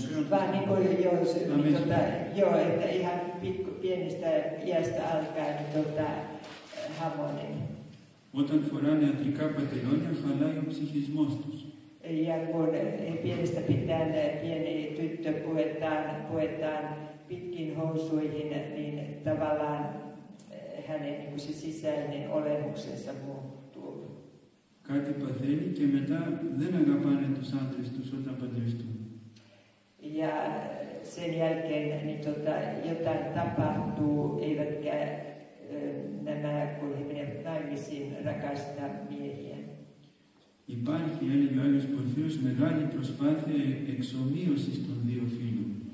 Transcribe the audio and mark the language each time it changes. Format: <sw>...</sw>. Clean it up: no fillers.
<fi>Vaan niin kuin jos, niin tuota, joo, että ihan pienestä iästä alkaen tuota, hamonen.</fi> <el>Όταν φοράνε αντρικά παντελόνια, χαλάει ο ψυχισμός τους.</el> <fi>Ja kun pienestä pitäen pieni tyttö puetaan pitkin housuihin, niin tavallaan hänen niin kuin se sisäinen olemuksensa muuttuu.</fi> <el>Κάτι παθαίνει και μετά δεν αγαπάνε τους άντρες τους όταν παντρευτούν.</el> <fi>Ja sen jälkeen niin tota, jotain tapahtuu, eivätkä nämä, kun he menevät naimisiin, rakastaa miehiä.</fi> <el>Υπάρχει, έλεγε ο Άγιος Πορφύριος, μεγάλη προσπάθεια εξομοίωσης των δύο φίλων.</el>